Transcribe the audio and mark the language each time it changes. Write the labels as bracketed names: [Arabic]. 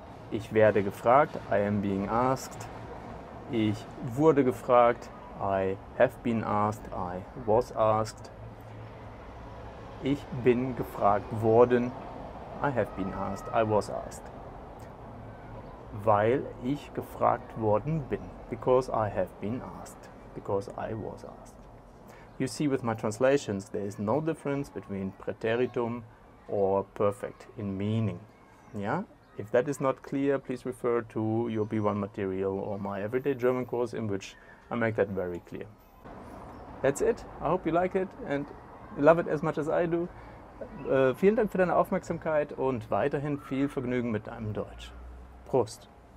[German] Ich werde gefragt. [English] I am being asked. [German] Ich wurde gefragt. [English] I have been asked. I was asked. [German] Ich bin gefragt worden. [English] I have been asked. I was asked. [German] Weil ich gefragt worden bin. [English] Because I have been asked. Because I was asked. You see with my translations, there is no difference between preteritum or perfect in meaning. Yeah? If that is not clear, please refer to your B1 material or my everyday German course in which I make that very clear. That's it. I hope you like it and love it as much as I do. [German] Vielen Dank für deine Aufmerksamkeit und weiterhin viel Vergnügen mit deinem Deutsch. Prost!